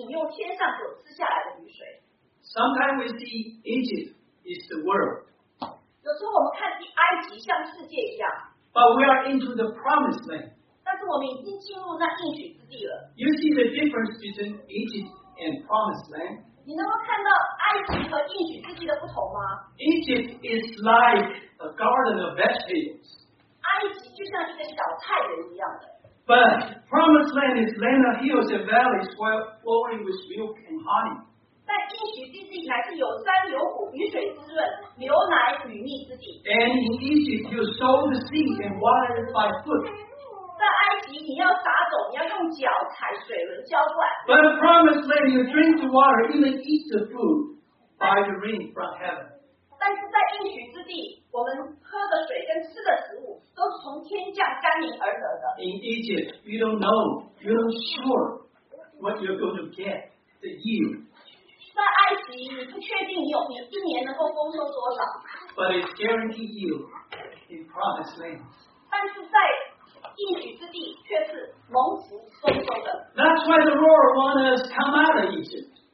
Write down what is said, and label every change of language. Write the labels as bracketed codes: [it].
[zh] 取代的是我们是饮用天上所赐下来的雨水。 [en] Sometimes we see Egypt is the world. [zh] 有时候我们看埃及像世界一样。 [en] But we are into the promised land. [zh] 但是我们已经进入那应许之地了。 [en] You see the difference between Egypt and promised land? [zh] 你能够看到埃及和应许之地的不同吗？ [en] Egypt is like a garden of vegetables. [zh] 埃及就像一个小菜园一样的。 [en] But promised land is land of hills and valleys flowing with milk and honey. [zh] 但应许之地还是有山有谷、雨水滋润、牛奶与蜜之地。 [en] And in Egypt, you sow the seed and water it by foot. [zh] 在埃及，你要撒种，你要用脚踩水轮浇灌。 [en] But in promised land, you drink the water, even eat the food by the rain from heaven. [zh] 但是在应许之地，我们喝的水。跟吃的食物都是从天降甘霖而得的。 [en] In Egypt, you don't know, you're not sure what you're going to get, the yield. [zh] 在埃及，你不确定你有一年能够丰收多少。 [en] But it's guaranteed yield in promised lands. [zh] 但是在应许之地却是蒙福丰收的。 [en] That's why the Lord wants us to come out of Egypt.